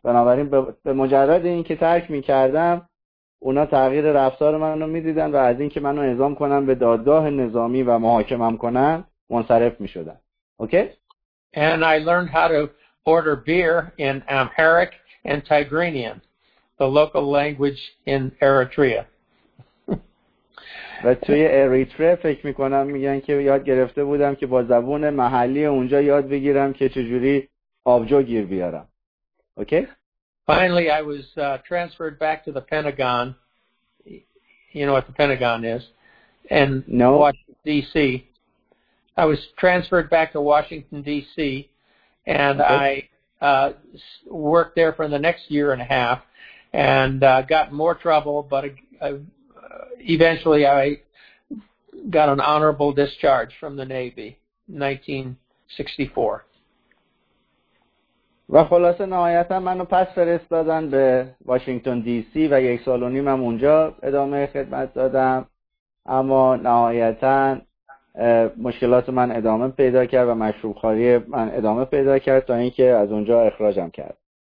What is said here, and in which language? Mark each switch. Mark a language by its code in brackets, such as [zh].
[fa] بنابراین به مجرد این که ترک میکردم اونا تغییر رفتار منو میدیدن و از این که منو اعزام کنن به دادگاه نظامی و محاکمم کنن منصرف میشدن. اوکی؟ [en] And I learned how to order beer in Amharic and Tigrinian, the local language in Eritrea. [fa] و توی اریتره فکر میکنم میگن که یاد گرفته بودم که با زبون محلی اونجا یاد بگیرم که چجوری آبجو گیر بیارم. [en] Okay? Finally, I was transferred back to the Pentagon. You know what the Pentagon is? And no. Washington, D.C. I was transferred back to Washington, D.C., and okay. I worked there for the next year and a half and got more trouble, but eventually I got an honorable discharge from the Navy in 1964. [fa] و خلاصه نهایتا منو پس فرستادن به واشنگتن D.C. و یک سال و نیم هم اونجا ادامه خدمت دادم، اما نهایتا مشکلات من ادامه پیدا کرد و مشروب خواری من ادامه پیدا کرد تا اینکه از اونجا اخراجم کرد.